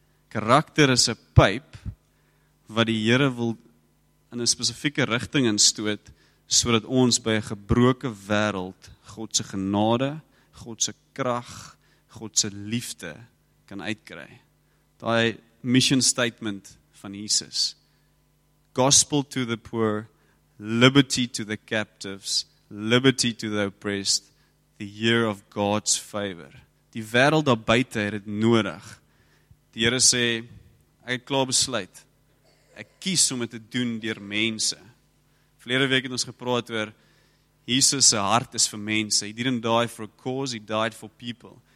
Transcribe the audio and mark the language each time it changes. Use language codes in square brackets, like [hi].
[af] Karakter is 'n pyp wat die Here wil in 'n spesifieke rigting instoot sodat ons by 'n gebroke wêreld God se genade, God se krag, God se liefde kan uitkry. Daai mission statement van Jesus. [en] Gospel to the poor, liberty to the captives, liberty to the oppressed, the year of God's favor. [af] Die wêreld daar buite het dit nodig. Die Here sê, ek het klaar besluit. Ek kies om dit te doen deur mense. Verlede week het ons gepraat oor Jesus se hart is vir mense. [en] He didn't die for a cause, he died for people.